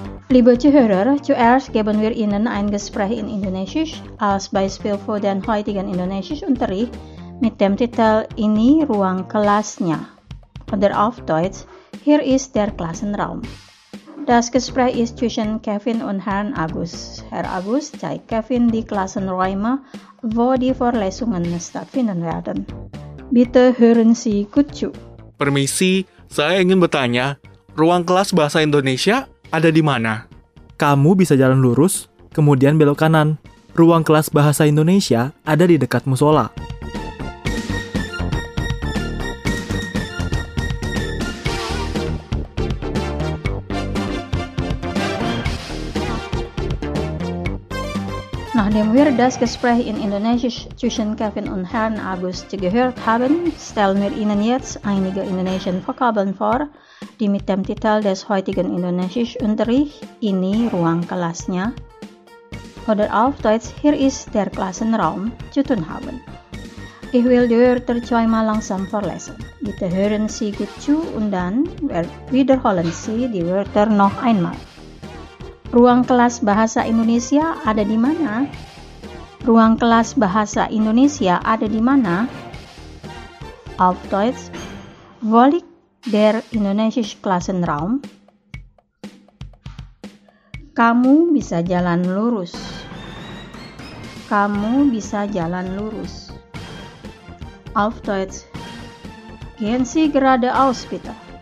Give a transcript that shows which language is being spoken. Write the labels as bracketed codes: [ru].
[de] Liebe Zuhörer, zuerst geben wir Ihnen ein Gespräch in Indonesisch als Beispiel für den heutigen Indonesischunterricht mit dem Titel [id] Ini Ruang Kelasnya [de] oder auf Deutsch Hier ist der Klassenraum. Das Gespräch ist zwischen Kevin und Herrn Agus. Herr Agus zeigt Kevin die Klassenräume, wo die Vorlesungen stattfinden werden. Bitte hören Sie gut zu. [id] Permisi, saya ingin bertanya, ruang kelas bahasa Indonesia ada di mana? Kamu bisa jalan lurus, kemudian belok kanan. Ruang kelas bahasa Indonesia ada di dekat musola. [de] Nachdem wir das Gespräch in Indonesisch zwischen Kevin und Herrn August gehört haben, stellen wir Ihnen jetzt einige indonesische Vokabeln vor, die mit dem Titel des heutigen Indonesischunterrichts [id] Ini Ruang Kelasnya [de] oder auf Deutsch Hier ist der Klassenraum zu tun haben. Ich will dir zweimal langsam vorlesen. Bitte hören Sie gut zu und dann wiederholen Sie die Wörter noch einmal. [id] Ruang kelas bahasa Indonesia ada di mana? Ruang kelas bahasa Indonesia ada di mana? [de] Auf Deutsch, wo liegt der indonesische Klassenraum? [id] Kamu bisa jalan lurus. Kamu bisa jalan lurus. [de] Auf Deutsch, gehen Sie geradeaus, bitte.